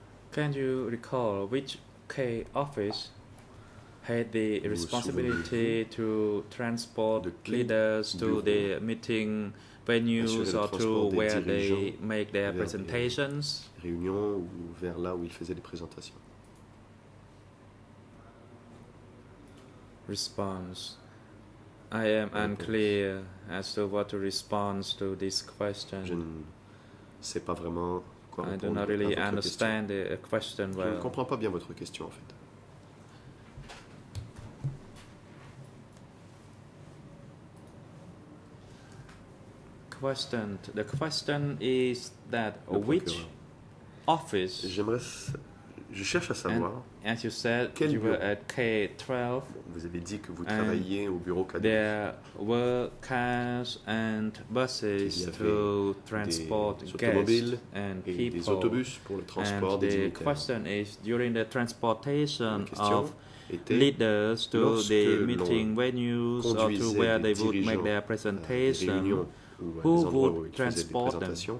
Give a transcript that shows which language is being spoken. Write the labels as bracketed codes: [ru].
[en] Can you recall which K office had the responsibility to transport leaders to the meeting venues or to where they make their presentations? [fr] Réunions ou vers là où ils faisaient des présentations. [en] Response. I am unclear as to what to respond to this question. [fr] Je ne sais pas vraiment quoi répondre. [en] I do not really understand the question well. [fr] Je ne comprends pas bien votre question en fait. [en] Question. The question is that which office? [fr] Je cherche à savoir. [en] As you said, [fr] quel [en] you were at K-12. [fr] Vous avez dit que vous travailliez au bureau K-12. [en] There were cars and buses to transport guests and people. [fr] Des autobus pour le transport [en] and [fr] des [en] the question is during the transportation of leaders to the meeting venues or to where they would make their presentation, who would transport them?